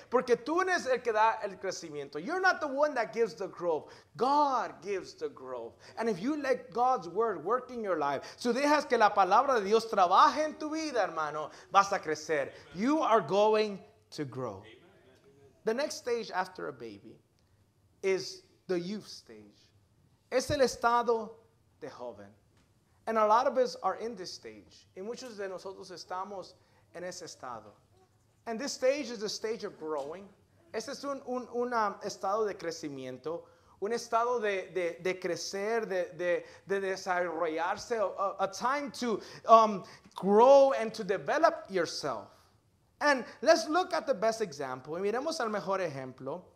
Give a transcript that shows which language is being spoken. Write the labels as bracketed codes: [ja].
[es] Porque tú eres el que da el crecimiento. [en] You're not the one that gives the growth. God gives the growth. And if you let God's word work in your life, [es] si dejas que la palabra de Dios trabaje en tu vida, hermano, vas a crecer. [en] You are going to grow. Amen. The next stage after a baby is the youth stage. [es] Es el estado de joven. [en] And a lot of us are in this stage. [es] Y muchos de nosotros estamos en ese estado. [en] And this stage is the stage of growing. [es] Este es un estado de crecimiento. Un estado de crecer, de desarrollarse. [en] A time to grow and to develop yourself. And let's look at the best example. [es] Miremos al mejor ejemplo.